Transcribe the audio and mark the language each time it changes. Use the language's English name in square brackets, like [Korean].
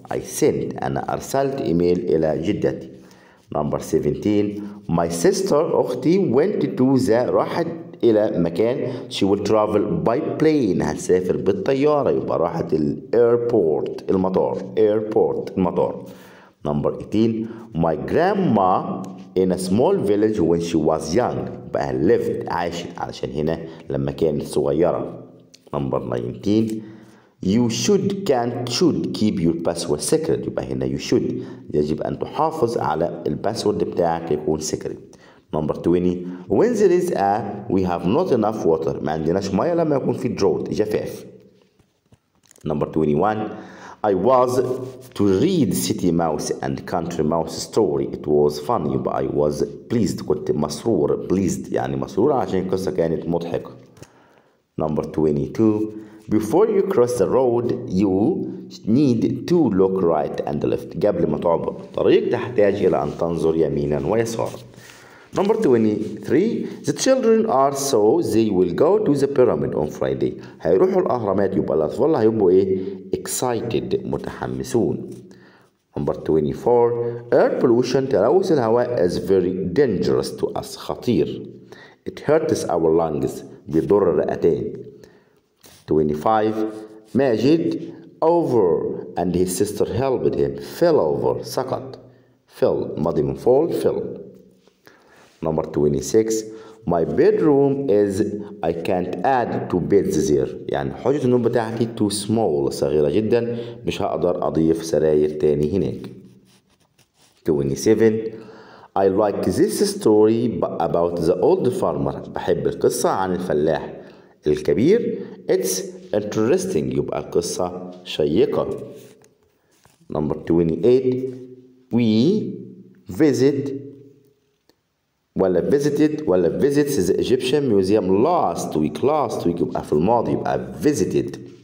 [English] I sent [Arabic] أنا أرسلت email إلى جدتي. [English] Number 17. My sister [Arabic] أختي [English] went to the [Arabic] راحت إلى مكان. [English] She will travel by plane. [Arabic] هتسافر بالطيارة، يبقى راحت الايربورت المطار. [English] Airport [Arabic] المطار. [English] Number 18. My grandma in a small village when she was young. [Arabic] يبقى lived عاشت علشان هنا لما كانت صغيرة. [English] Number 19. You should can't should keep your password secret. [Arabic] يبقى هنا [English] you should [Arabic] يجب أن تحافظ على الباسورد بتاعك يكون secret. [English] Number 20. When there is a we have not enough water. [Arabic] ما عندناش مياه لما يكون في drought جفاف. [English] Number 21. I was to read City Mouse and Country Mouse story. It was funny, but I was pleased. [Arabic] كنت مسرور. Pleased يعني مسرور عشان القصة كانت مضحكة. [English] Number 22. Before you cross the road, you need to look right and left. [Arabic] قبل ما تعبر الطريق تحتاج إلى أن تنظر يمينا ويسارا. [English] Number 23. The children are so they will go to the pyramid on Friday. [Arabic] هيروحوا الأهرامات، يبقى الأطفال هيبقوا إيه؟ excited متحمسون. [English] Number 24, air pollution, [Arabic] تلوث الهواء [English] is very dangerous to us, [Arabic] خطير. [English] It hurts our lungs, [Arabic] بيضر الرئتين. [English] 25, Majid over and his sister helped him, fell over, [Arabic] سقط. [English] Fell, ماضي من fall, fell. Number 26, my bedroom is, I can't add two beds there. [Arabic] يعني حجة النوم بتاعتي [English] too small, [Arabic] صغيرة جدا, مش هقدر أضيف سراير تاني هناك. [English] 27, I like this story about the old farmer. [Arabic] بحب القصة عن الفلاح الكبير. [English] It's interesting. [Arabic] يبقى القصة شيقة. [English] Number 28, we visit [Arabic] ولا [English] visited ولا visits the Egyptian museum last week [Arabic] يبقى في الماضي يبقى [English] visited.